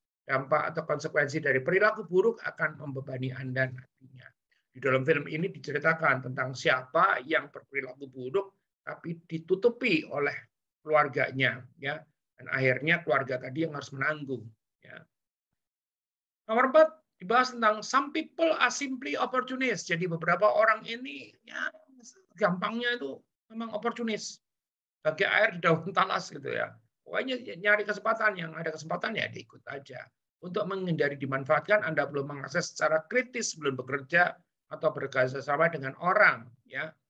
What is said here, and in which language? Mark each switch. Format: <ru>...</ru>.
<id>Dampak atau konsekuensi dari perilaku buruk akan membebani Anda nantinya. Di dalam film ini diceritakan tentang siapa yang berperilaku buruk tapi ditutupi oleh keluarganya ya. Dan akhirnya keluarga tadi yang harus menanggung. Ya. Nomor 4, dibahas tentang</id> <en>some people are simply opportunist.</en> <id>Jadi beberapa orang ini ya, gampangnya itu memang opportunist. bagi air di daun talas gitu ya. Pokoknya nyari kesempatan, yang ada kesempatan ya diikut aja. Untuk menghindari dimanfaatkan, Anda belum mengakses secara kritis, belum bekerja atau bekerja sama dengan orang ya.</id>